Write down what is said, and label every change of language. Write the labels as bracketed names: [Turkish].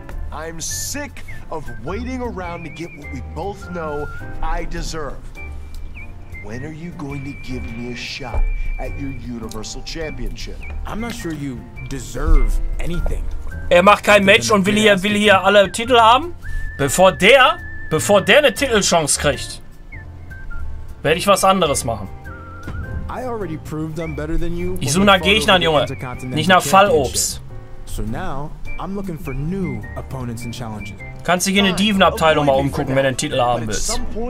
[English] I'm sick of waiting around to get what we both know I deserve. When are you going to give me a shot at your Universal Championship? I'm not sure you deserve anything. [German] Er macht kein Match und will hier alle Titel haben? Bevor der eine Titelchance kriegt, werde ich was anderes machen. [English] I already proved I'm better than you. [German] Ich suche nach Gegnern, Junge. Nicht nach Fallobst. [English] So now I'm looking for new opponents and challenges. [German] Kannst du hier eine Dievenabteilung mal umgucken, wenn du einen Titel haben willst.